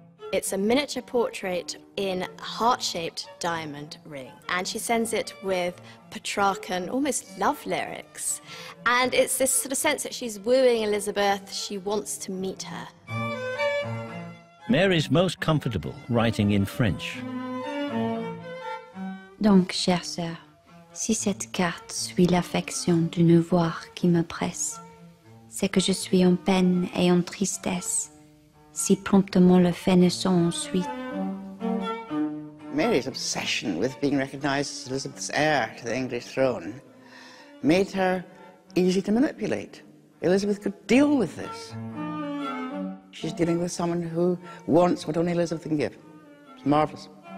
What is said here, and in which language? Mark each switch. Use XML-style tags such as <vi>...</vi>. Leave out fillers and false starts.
<en>It's a miniature portrait in a heart-shaped diamond ring. And she sends it with Petrarchan, almost love lyrics. And it's this sort of sense that she's wooing Elizabeth, she wants to meet her. Mary's most comfortable writing in French.</en> <fr>"Donc, chère sœur, si cette carte suit l'affection d'une voix qui me presse, c'est que je suis en peine et en tristesse, si promptement le fait ne sont ensuite."</fr> <en>Mary's obsession with being recognized as Elizabeth's heir to the English throne made her easy to manipulate. Elizabeth could deal with this. She's dealing with someone who wants what only Elizabeth can give. It's marvelous.</en>